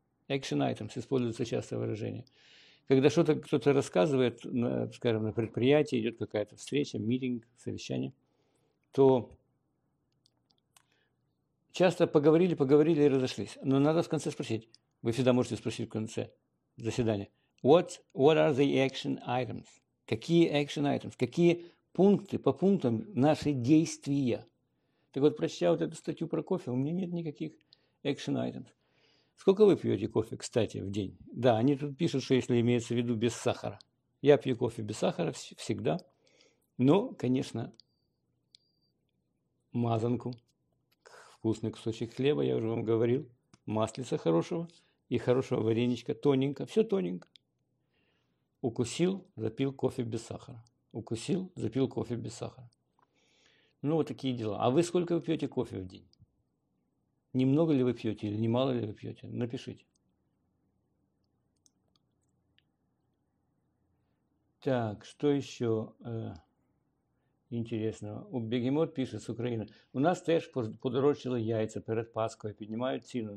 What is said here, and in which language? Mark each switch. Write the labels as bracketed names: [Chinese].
[Russian] Action items используется часто выражение. Когда что-то кто-то рассказывает, скажем, на предприятии идет какая-то встреча, митинг, совещание, то часто поговорили, поговорили и разошлись. Но надо в конце спросить. Вы всегда можете спросить в конце заседания. [English] What are the action items? [Russian] Какие action items? Какие пункты по пунктам наши действия? Так вот, прочитав вот эту статью про кофе, у меня нет никаких action items. Сколько вы пьете кофе, кстати, в день? Да, они тут пишут, что если имеется в виду без сахара. Я пью кофе без сахара всегда. Но, конечно, мазанку, вкусный кусочек хлеба, я уже вам говорил, маслица хорошего и хорошего вареничка, тоненько, все тоненько. Укусил, запил кофе без сахара. Укусил, запил кофе без сахара. Ну, вот такие дела. А вы сколько вы пьете кофе в день? Немного ли вы пьете или немало ли вы пьете? Напишите. Так, что еще интересного? У Бегемот пишет с Украины. [Ukrainian] У нас теж подорожчали яйца перед Пасхою, піднімають ціну.